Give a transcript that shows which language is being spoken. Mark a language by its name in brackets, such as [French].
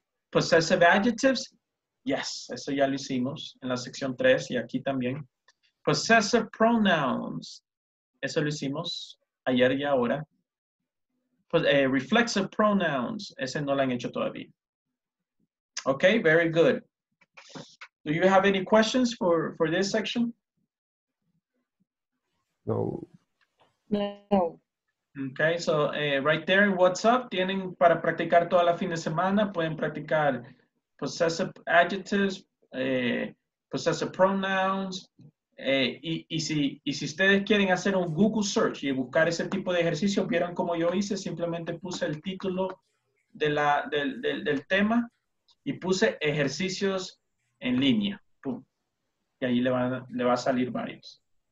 [Spanish] Possessive adjectives, yes, eso ya lo hicimos en la sección 3 y aquí también. Possessive pronouns, eso lo hicimos ayer y ahora. Reflexive pronouns, ese no lo han hecho todavía. [English] Okay, very good. Do you have any questions for this section? No. No. Okay, so right there in WhatsApp, [Spanish] tienen para practicar toda la fin de semana, pueden practicar possessive adjectives, possessive pronouns, y si ustedes quieren hacer un Google search y buscar ese tipo de ejercicio, vieron como yo hice, simplemente puse el título del tema y puse ejercicios en línea, pum, y ahí le va a salir varios.